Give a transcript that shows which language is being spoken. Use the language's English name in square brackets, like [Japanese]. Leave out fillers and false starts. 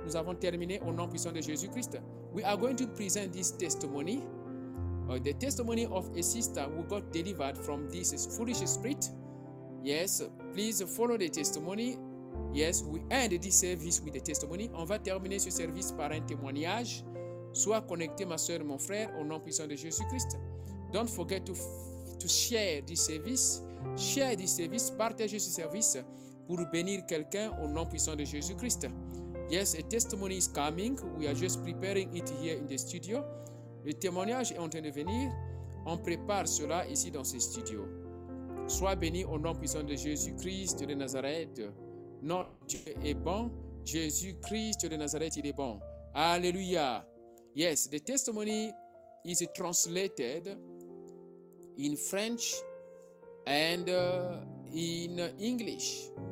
[French] Nous avons terminé au nom puissant de Jésus Christ. [English] We are going to present this testimony. The testimony of a sister who got delivered from this foolish spirit. Yes, please follow the testimony. Yes, we end this service with the testimony. [French] On va terminer ce service par un témoignage. Sois connecté, ma soeur, mon frère, au nom puissant de Jésus Christ. [English] Don't forget to share this service. [French] Share this service, partagez ce service pour bénir quelqu'un au nom puissant de Jésus Christ. [English] Yes, a testimony is coming. We are just preparing it here in the studio. [French] Le témoignage est en train de venir. On prépare cela ici dans ce studio. Sois béni au nom puissant de Jésus-Christ de Nazareth. Notre Dieu est bon. Jésus-Christ de Nazareth, il est bon. Alléluia. [English] Yes, the testimony is translated in French and in English.